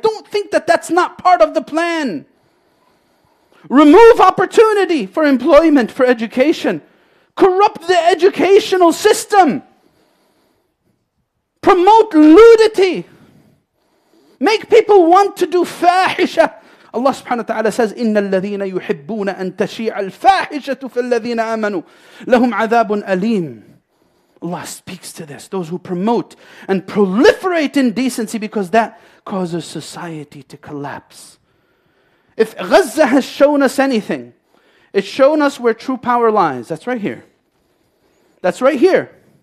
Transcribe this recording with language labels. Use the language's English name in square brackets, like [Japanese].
[English] Don't think that that's not part of the plan. Remove opportunity for employment, for education. Corrupt the educational system. Promote ludity. Make people want to do fahisha. Allah subhanahu wa ta'ala says, [Arabic] إِنَّ الَّذِينَ يُحِبُّونَ أَن تَشِيعَ الْفَاحِشَةُ فِي الَّذِينَ آمَنُوا لَهُمْ عَذَابٌ أَلِيمٌ. [English] Allah speaks to this. Those who promote and proliferate indecency, because that causes society to collapse. If Gaza has shown us anything, it's shown us where true power lies. That's right here. That's right here.